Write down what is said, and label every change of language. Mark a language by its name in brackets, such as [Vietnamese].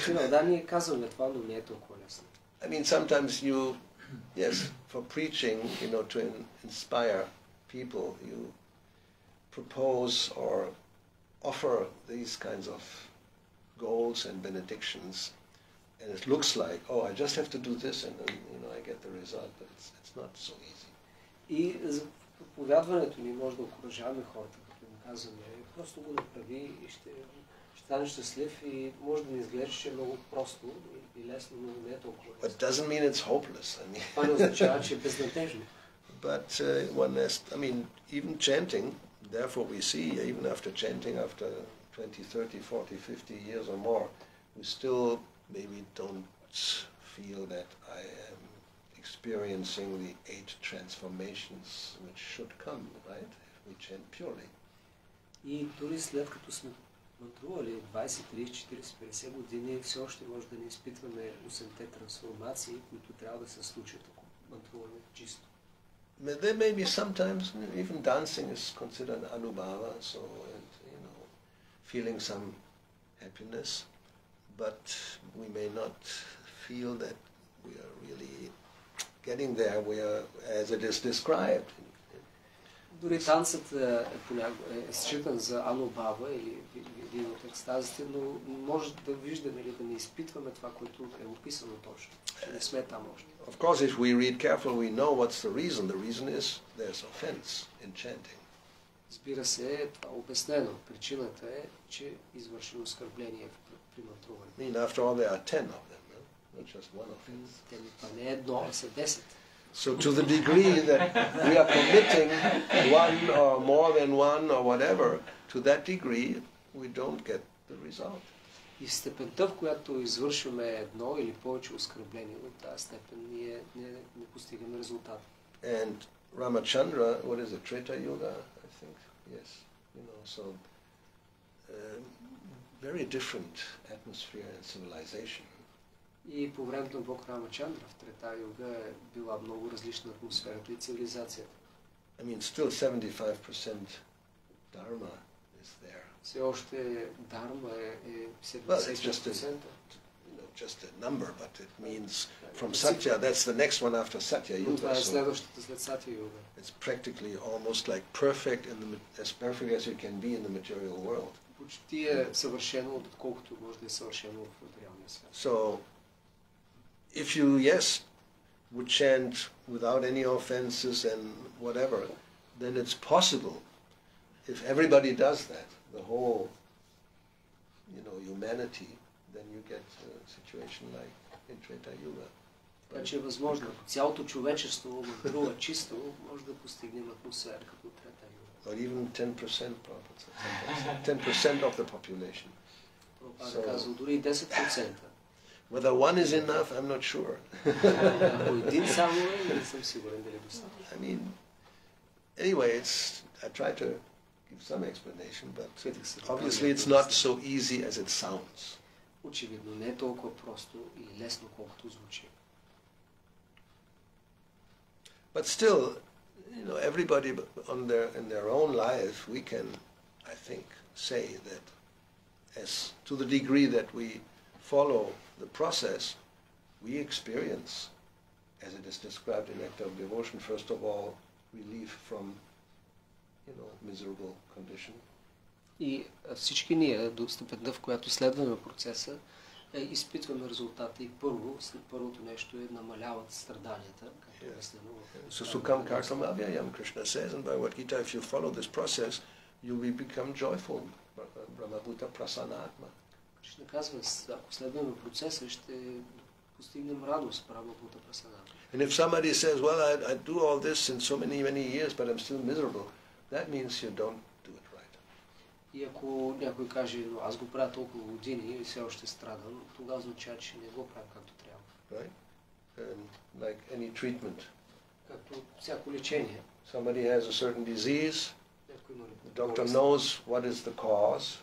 [Bulgarian] Да, ние казваме това, но не е толкова лесно. [English] I mean, sometimes you, yes, for preaching, you know, to inspire people, you propose or offer these kinds of goals and benedictions. And it looks like, oh, I just have to do this and then, you know, I get the result, but it's not so easy. [Bulgarian] И за проповядването ни може да окуражаваме хората, като им казваме, просто го направи и ще стане щастлив и може да ни изглежда, че е много просто и лесно, но не е толкова лесно. [English] But doesn't mean it's hopeless. [Bulgarian] Това не означава, че е безнадежно. [English] But one has, I mean, even chanting, therefore we see, even after chanting, after 20, 30, 40, 50 years or more, we still maybe don't feel that I am experiencing the eight transformations which should come, right? If we chant purely. [Bulgarian] И дори след като сме пътували 20, 30, 40, 50 години, все още може да не изпитваме 8-те трансформации, които трябва да се случат, ако мантруваме чисто. [English] There may be sometimes, even dancing is considered anubhava, so, and, you know, feeling some happiness, but we may not feel that we are really getting there, we are, as it is described. [Bulgarian] Дори танцът е считан за анубава или един от екстазите, но може да виждаме или да не изпитваме това, което е описано точно. Не сме там още. [English] Of course, if we read carefully, we know what's the reason. The reason is there's offense in chanting. [Bulgarian] Разбира се, това е обяснено. Причината е, че извършено оскърбление при мантруване. [English] And after all, there are 10 of them, no? Not just one offense. [Bulgarian] Това не е едно, а са 10. [English] So to the degree that we are committing one or more than one or whatever, to that degree we don't get the result. [Bulgarian] И степента, в която извършваме едно или повече оскърбление, от тази степен ние не постигаме резултат. [English] And Ramachandra, what is it, Treta Yuga, I think, yes, you know, so very different atmosphere and civilization. [Bulgarian] И по времето на Бог Рамачандра в Трета Юга е била много различна атмосферата и цивилизацията. [English] I mean, still 75% Dharma is there. [Bulgarian] Все още Дарма е 75%. [English] Well, it's just a, you know, just a number, but it means from Satya, that's the next one after Satya Yuga. [Bulgarian] Това е следващата след Сатя Юга. [English] It's practically almost like perfect, in the, as perfect as it can be in the material world. [Bulgarian] Почти е съвършено, отколкото може да е съвършено в материалния свят. [English] So, if you, yes, would chant without any offenses and whatever, then it's possible, if everybody does that, the whole, you know, humanity, then you get a situation like in Treta Yuga. But it's possible, if [Bulgarian] цялото човечество мантрува чисто, може да постигнем атмосфера като Трета Юга. [English] Or even 10%, Prabhupada says, 10% of the population. Prabhupada says, even 10%. Whether one is enough, I'm not sure. I mean, anyway, it's, I try to give some explanation, but obviously it's not so easy as it sounds. [Bulgarian] Очевидно, не е толкова просто и лесно, колкото звучи. [English] But still, you know, everybody on their, in their own life, we can, I think, say that as to the degree that we follow the process we experience, as it is described in Act of Devotion, first of all, relief from, you know, miserable condition. [Bulgarian] И всички ние, до степента, в която следваме процеса, изпитваме резултата и първото нещо е намаляват страданията, както е [English] Сукам картам авиям, Кришна says, and by what Gita, if you follow this process, you will become joyful, Brahmabhuta prasanatma. [Bulgarian] Кришна казва, ако следваме процеса, ще постигнем радост, Прабхупада прасана. [English] And if somebody says, well, I do all this in so many, many years, but I'm still miserable, that means you don't do it right. [Bulgarian] И ако някой каже, но аз го правя толкова години и все още страдам, тогава означава, че не го правя както трябва. [English] Right? And like any treatment. [Bulgarian] Както всяко лечение. [English] Somebody has a certain disease, the doctor knows what is the cause.